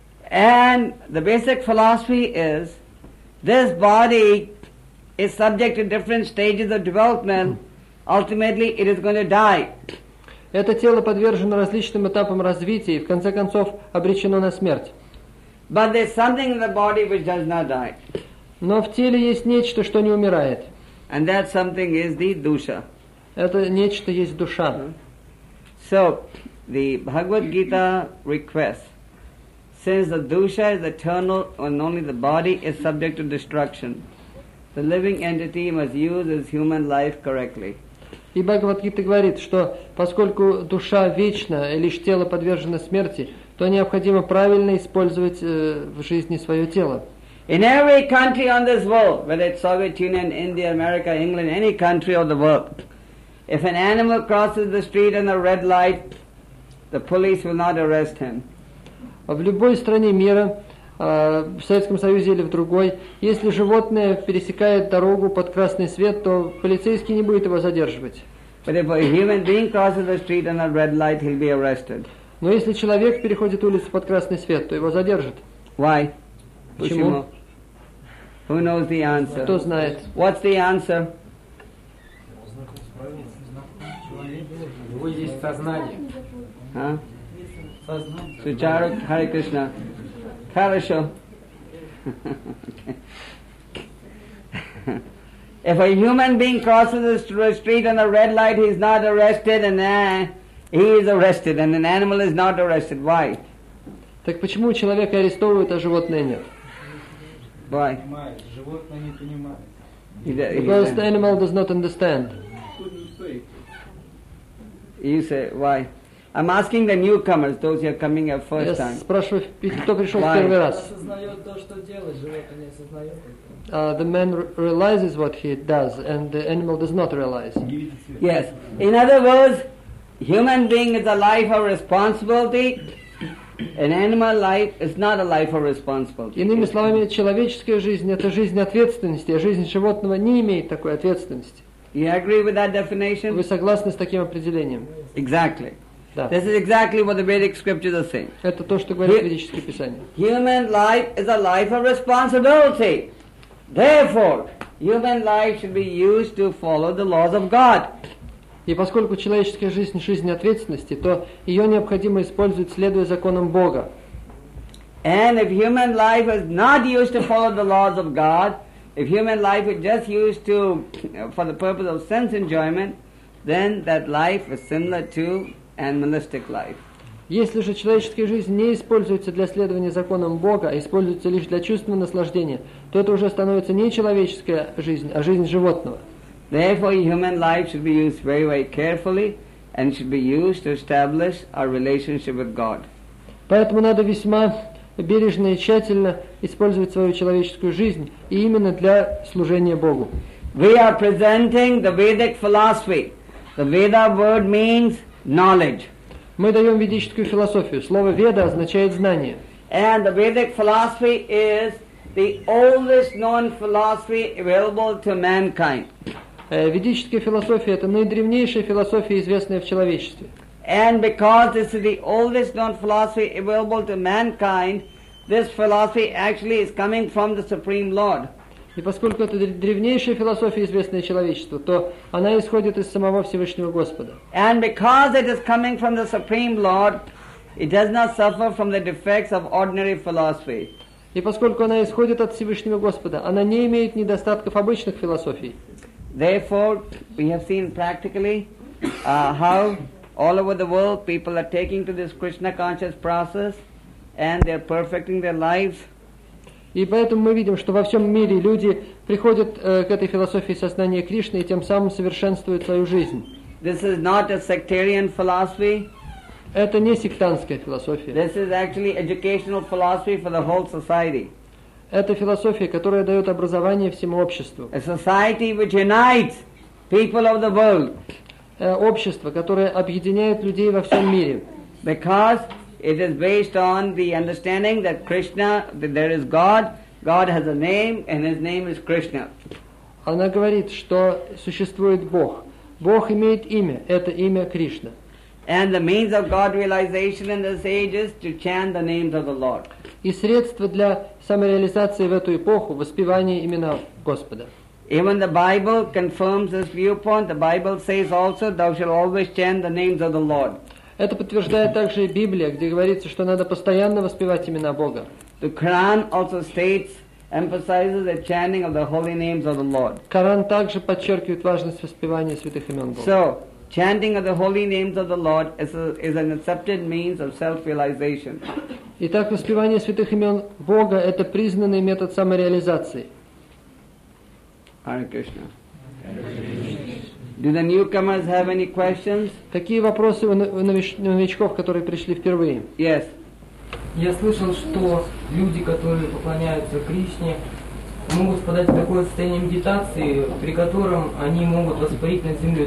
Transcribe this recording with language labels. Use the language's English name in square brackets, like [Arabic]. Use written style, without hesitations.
[English] And the basic philosophy is this body is subject to different stages of development. Ultimately, it is going to die. [Russian] Это тело подвержено различным этапам развития и в конце концов обречено на смерть. [English] But there's something in the body which does not die. [Russian] Но в теле есть нечто, что не умирает. [English] And that something is the dusha. [Russian] Это нечто есть душа. [English] So the Bhagavad Gita requests, since the dusha is eternal and only the body is subject to destruction, the living entity must use its human life correctly. [Russian] И Бхагавад-гита говорит, что поскольку душа вечна, и лишь тело подвержено смерти, то необходимо правильно использовать в жизни свое тело. [English] In every country on this world, whether it's Soviet Union, India, America, England, any country of the world, if an animal crosses the street in a red light, the police will not arrest him. [Russian] В любой стране мира, в Советском Союзе или в другой, если животное пересекает дорогу под красный свет, то полицейский не будет его задерживать. Но если человек переходит улицу под красный свет, то его задержат. [English] Why? [Russian] Почему? [English] Who knows the answer? [Russian] Кто знает? [English] What's the answer? [Russian] Вы здесь сознание. Сучару, Харе Кришна. Хорошо. [English] If a human being crosses the street on a red light, he's not arrested, and he is arrested, and an animal is not arrested. Why? [Russian] Так почему человека арестовывают, а животное нет? [English] Why? [Russian] Животное не понимает. [English] Because the animal does not understand. You say why? I'm asking the newcomers, those who are coming here first time. [Russian] Я спрашиваю, кто пришел в первый раз. [English] The man realizes what he does, and the animal does not realize. Yes. In other words, human being is a life of responsibility, an animal life is not a life of responsibility. [Russian] Иными словами, человеческая жизнь — это жизнь ответственности, а жизнь животного не имеет такой ответственности. [English] You agree with that definition? [Russian] Вы согласны с таким определением? [English] Exactly. [Russian] Да. [English] This is exactly what the Vedic scriptures are saying. [Russian] Это то, что говорит ведическое писание. [English] Human life is a life of responsibility. Therefore, human life should be used to follow the laws of God. [Russian] И поскольку человеческая жизнь — жизнь ответственности, то ее необходимо использовать, следуя законам Бога. [English] And if human life is not used to follow the laws of God, if human life is just used to for the purpose of sense enjoyment, then that life is similar to animalistic life. [Russian] Если же человеческая жизнь не используется для следования законам Бога, а используется лишь для чувственного наслаждения, то это уже становится не человеческая жизнь, а жизнь животного. [English] Therefore, human life should be used very, very carefully and should be used to establish our relationship with God. [Russian] Поэтому надо весьма бережно и тщательно использовать свою человеческую жизнь, и именно для служения Богу. [English] We are presenting the Vedic philosophy. The Veda word means knowledge. [Russian] Мы даем ведическую философию. Слово «веда» означает знание. [English] And the Vedic philosophy is the oldest known philosophy available to mankind. [Russian] Ведическая философия — это наидревнейшая философия, известная в человечестве. [English] And because this is the oldest known philosophy available to mankind, this philosophy actually is coming from the Supreme Lord. [Russian] И поскольку это древнейшая философия, известная человечеству, то она исходит из самого Всевышнего Господа. [English] And because it is coming from the Supreme Lord, it does not suffer from the defects of ordinary philosophy. [Russian] И поскольку она исходит от Всевышнего Господа, она не имеет недостатков обычных философий. [English] Therefore, we have seen practically how all over the world people are taking to this Krishna conscious process and they're perfecting their lives. [Russian] И поэтому мы видим, что во всем мире люди приходят к этой философии сознания Кришны и тем самым совершенствуют свою жизнь. [English] This is not a sectarian philosophy. [Russian] Это не сектантская философия. [English] This is actually educational philosophy for the whole society. [Russian] Это философия, которая дает образование всему обществу. [English] A society which unites people of the world. [Russian] Общество, которое объединяет людей во всем мире. [English] Because it is based on the understanding that Krishna, that there is God, God has a name, and his name is Krishna. [Russian] Она говорит, что существует Бог. Бог имеет имя, это имя Кришна. [English] And the means of God realization in this age is to chant the names of the Lord. [Russian] И средство для самореализации в эту эпоху – воспевание имена Господа. [English] Even the Bible confirms this viewpoint. The Bible says also, thou shalt always chant the names of the Lord. [Russian] Это подтверждает также и Библия, где говорится, что надо постоянно воспевать имена Бога. [English] The Quran also states, emphasizes the chanting of the holy names of the Lord. [Russian] Коран также подчеркивает важность воспевания святых имен Бога. [English] So, chanting of the holy names of the Lord is an accepted means of self-realization. [Russian] Итак, воспевание святых имен Бога – это признанный метод самореализации. [English] Hare Krishna. Do the newcomers have any questions? [Russian] Какие вопросы у новичков, которые пришли впервые? [English] Yes. [Russian] Я слышал, что люди, которые поклоняются Кришне, могут впадать в такое состояние медитации, при котором они могут воспарить над землей.